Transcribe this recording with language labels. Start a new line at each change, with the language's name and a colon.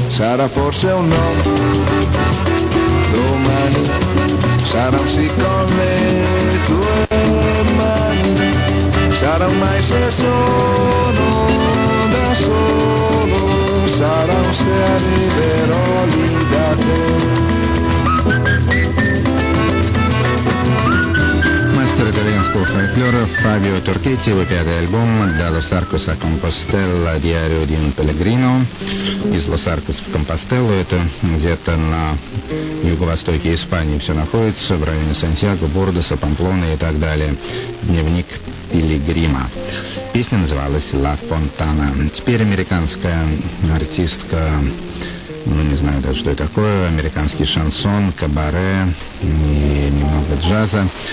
Italian: Sarà forse un no domani, sarà un sì con le tue mani, sarà un mai se sono da solo, sarà un se arriverò lì da te.
Russian: Italianico folklore, Fabio Turchetti, его пятый альбом «Dallos Arcos a Compostela», «Diario di un Pellegrino». Из Los Arcos в Компостелло, это где-то на юго-востоке Испании все находится, в районе Сантьяго, Бордоса, Памплоны и так далее. Дневник пилигрима. Песня называлась «La Fontana». Теперь американская артистка, ну, не знаю даже, что это такое, американский шансон, кабаре и немного джаза.